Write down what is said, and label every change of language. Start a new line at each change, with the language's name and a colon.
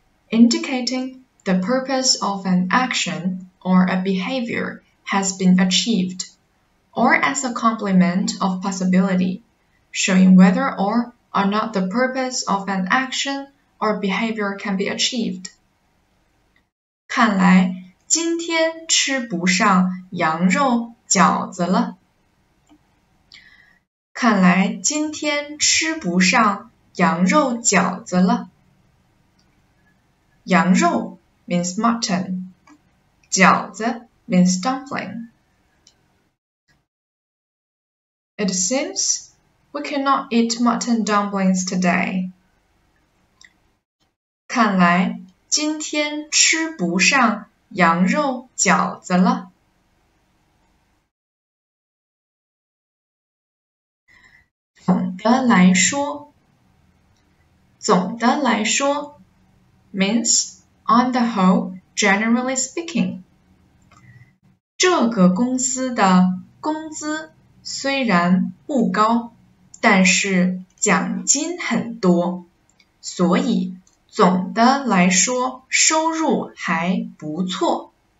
English: Indicating the purpose of an action or a behavior has been achieved, or as a complement of possibility, showing whether or not the purpose of an action or behavior can be achieved.
Chinese: 看来今天吃不上羊肉饺子了。看来今天吃不上羊肉饺子了。
English: 羊肉 means mutton. 饺子 means dumpling. It seems we cannot eat mutton dumplings today.
Chinese: 看来今天吃不上羊肉饺子了。
English: 总的来说，总的来说 means on the whole, generally speaking.
Chinese: 这个公司的工资虽然不高，但是奖金很多，所以总的来说收入还不错。